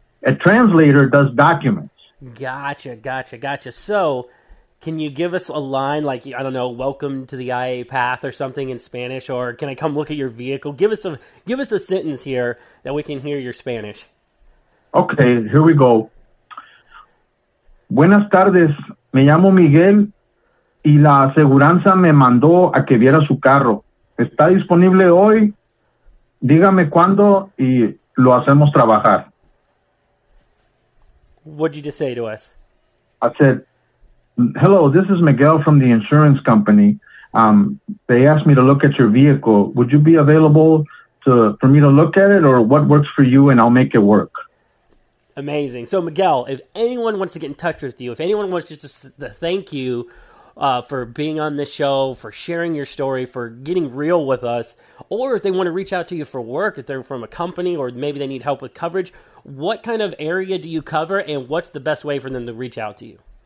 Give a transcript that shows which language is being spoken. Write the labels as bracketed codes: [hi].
[en] A translator does documents. Gotcha. So can you give us a line like, I don't know, welcome to the IA path or something in Spanish, or can I come look at your vehicle? Give us a sentence here that we can hear your Spanish. Okay, here we go. [es] Buenas tardes, me llamo Miguel y la aseguranza me mandó a que viera su carro. Está disponible hoy, dígame cuándo y lo hacemos trabajar. [en] What'd you just say to us? I said, hello, this is Miguel from the insurance company. They asked me to look at your vehicle. Would you be available for me to look at it, or what works for you, and I'll make it work? Amazing. So, Miguel, if anyone wants to get in touch with you, if anyone wants just to thank you for being on this show, for sharing your story, for getting real with us, or if they want to reach out to you for work, if they're from a company or maybe they need help with coverage, what kind of area do you cover, and what's the best way for them to reach out to you?